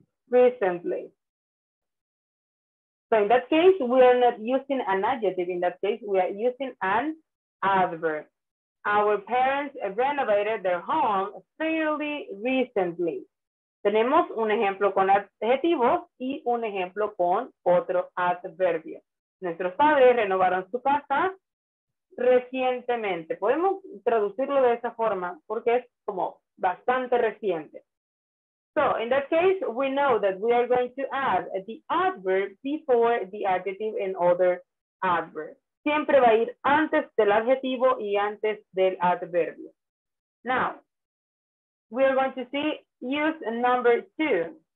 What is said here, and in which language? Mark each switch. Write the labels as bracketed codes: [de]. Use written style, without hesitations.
[en] Recently. So in that case, we are not using an adjective. In that case, we are using an adverb. Our parents renovated their home fairly recently. [es] Tenemos un ejemplo con adjetivos y un ejemplo con otro adverbio. Nuestros padres renovaron su casa recientemente. Podemos traducirlo de esa forma porque es como bastante reciente. [en] So, in that case, we know that we are going to add the adverb before the adjective and other adverbs. [es] Siempre va a ir antes del adjetivo y antes del adverbio. [en] Now, we are going to see use number two.